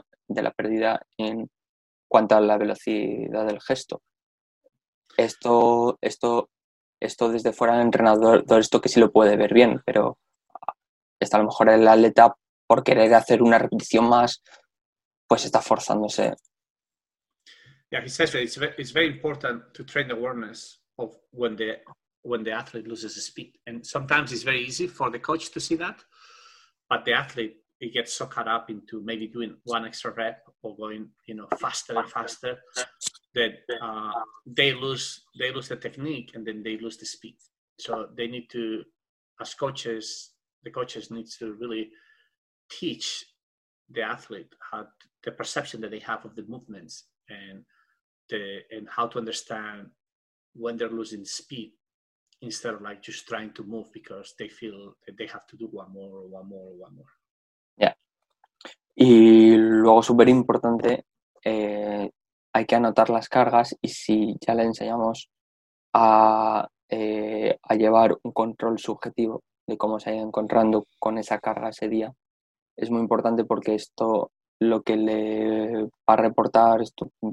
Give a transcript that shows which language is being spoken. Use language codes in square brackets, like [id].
[es] De la pérdida en cuanto a la velocidad del gesto. Esto desde fuera del entrenador, todo esto que sí lo puede ver bien, pero está a lo mejor el atleta, por querer hacer una repetición más, pues está forzándose. [en] Yeah, he says that it's very important to train the awareness of when the athlete loses the speed. And sometimes it's very easy for the coach to see that, but the athlete, he gets so caught up into maybe doing one extra rep or going, you know, faster and faster, that they lose the technique and then they lose the speed. So they need to, as coaches, the coaches need to really teach the athlete how the perception that they have of the movements and how to understand when they're losing speed, instead of like just trying to move because they feel that they have to do one more. Yeah. [es] Y luego, súper importante, hay que anotar las cargas, y si ya le enseñamos a llevar un control subjetivo de cómo se ha ido encontrando con esa carga ese día, es muy importante, porque esto lo que le va a reportar esto